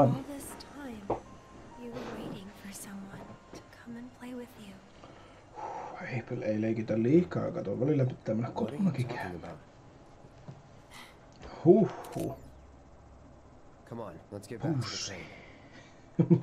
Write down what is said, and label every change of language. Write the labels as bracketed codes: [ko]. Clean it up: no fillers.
[en] All this time, you were waiting for someone to come and play with you. [fi] April ei leikitä liikaa, kato. Välillä pitää mennä kotonakin käymään. Huh! [en] Come on, let's get back to the same.